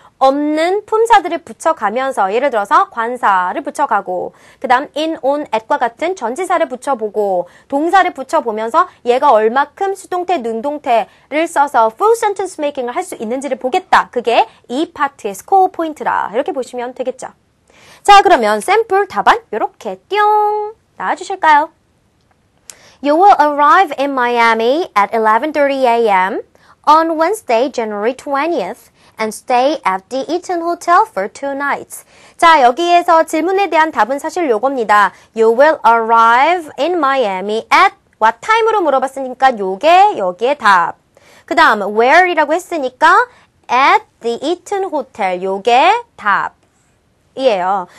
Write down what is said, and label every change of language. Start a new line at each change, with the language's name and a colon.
Korean: 없는 품사들을 붙여가면서 예를 들어서 관사를 붙여가고 그 다음 in, on, at과 같은 전지사를 붙여보고 동사를 붙여보면서 얘가 얼마큼 수동태, 능동태를 써서 full sentence making을 할 수 있는지를 보겠다. 그게 이 파트의 스코어 포인트라 이렇게 보시면 되겠죠. 자, 그러면 샘플 답안 이렇게 띵 나와주실까요?
English: You will arrive in Miami at 11:30 a.m. on Wednesday, January 20th. And stay at the Eaton Hotel for two nights.
Korean: 자, 여기에서 질문에 대한 답은 사실 요겁니다.
English: You will arrive in Miami at what time으로
Korean: 물어봤으니까 요게 여기에 답. 그 다음 where이라고 했으니까
English: at the Eaton Hotel
Korean: 요게 답이에요.